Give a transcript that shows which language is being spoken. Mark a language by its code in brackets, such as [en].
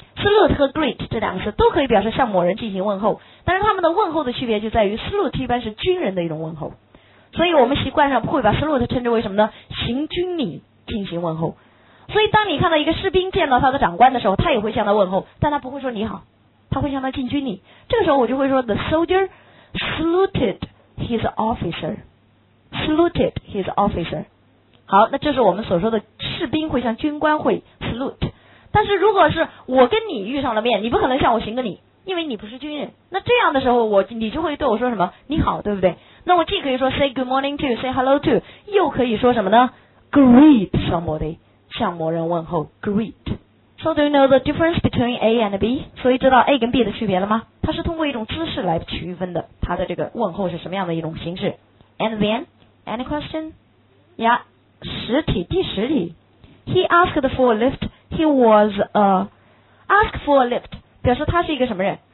[zh] salute 和 greet 这两个词都可以表示向某人进行问候，但是他们的问候的区别就在于 salute 一般是军人的一种问候，所以我们习惯上会把 salute 称之为什么呢？行军礼，进行问候。所以当你看到一个士兵见到他的长官的时候，他也会向他问候，但他不会说你好，他会向他进军礼。这个时候我就会说 [en] the soldier saluted his officer， [zh] saluted his officer。好，那这是我们所说的士兵会向军官会 salute。但是如果是我跟你遇上了面，你不可能向我行个礼，因为你不是军人。那这样的时候你就会对我说什么？你好，对不对？那我既可以说 [en] say good morning to， say hello to， [zh] 又可以说什么呢？ greet somebody， 向某人问候， greet。 [en] So do you know the difference between A and B？ [zh] 所以知道 A 跟 B 的区别了吗？它是通过一种姿势来区分的，它的这个问候是什么样的一种形式。 [en] And then any question？ Yeah， [zh] 实体，第十体。 [en] He asked for a lift， he was a ask for a lift， [zh] 表示他是一个什么人？